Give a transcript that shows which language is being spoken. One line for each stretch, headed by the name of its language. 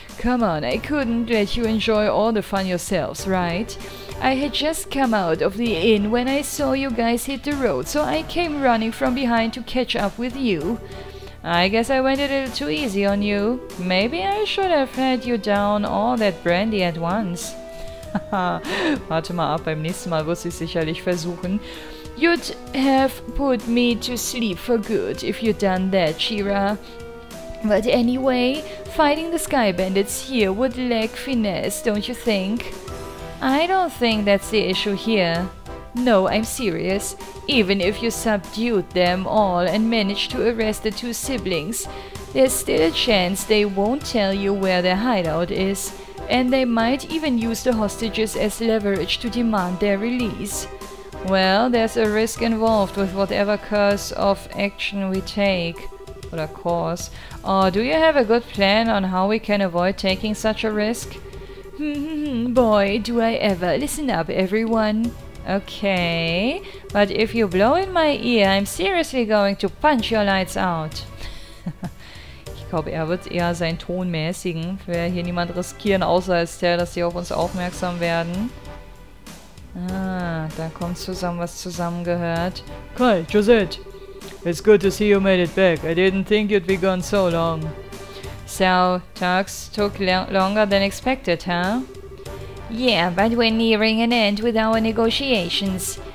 English: Come on, I couldn't let you enjoy all the fun yourselves, right? I had just come out of the inn when I saw you guys hit the road, so I came running from behind to catch up with you. I guess I went a little too easy on you. Maybe I should have had you down all that brandy at once.
German: Haha, warte mal ab, beim nächsten Mal wird sie sicherlich versuchen.
English: You'd have put me to sleep for good if you'd done that, Shira. But anyway, fighting the Sky Bandits here would lack finesse, don't you think? I don't think that's the issue here. No, I'm serious. Even if you subdued them all and managed to arrest the two siblings, there's still a chance they won't tell you where their hideout is, and they might even use the hostages as leverage to demand their release. Well, there's a risk involved with whatever course of action we take. Or a course. Oh, do you have a good plan on how we can avoid taking such a risk? Boy, do I ever. Listen up, everyone. Okay, but if you blow in my ear, I'm seriously going to punch your lights out.
German: Ich glaube, er wird eher seinen Ton mäßigen. Wer hier niemand riskieren, außer als der, dass sie auf uns aufmerksam werden. Ah, da kommt zusammen, was zusammengehört.
English: Kai, Josette, it's good to see you made it back. I didn't think you'd be gone so long. So, talks took longer than expected, huh? Yeah, but we're nearing an end with our negotiations.